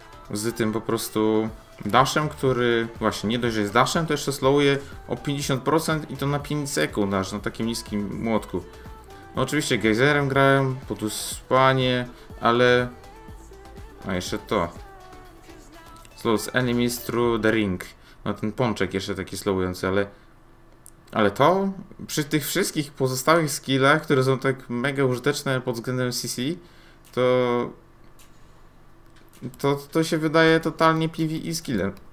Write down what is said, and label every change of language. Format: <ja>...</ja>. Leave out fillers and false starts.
<pl>Z tym po prostu dashem, który właśnie nie dość, że jest dashem, to jeszcze slowuje o 50% i to na 5 sekund aż na takim niskim młotku. No oczywiście gejzerem grałem, podusłanie, ale... A jeszcze to.</pl> <en>Slows enemies through the ring.</en> <pl>No ten pączek jeszcze taki slowujący, ale... Ale to przy tych wszystkich pozostałych skillach, które są tak mega użyteczne pod względem CC, to... To się wydaje totalnie PvE skillem.</pl>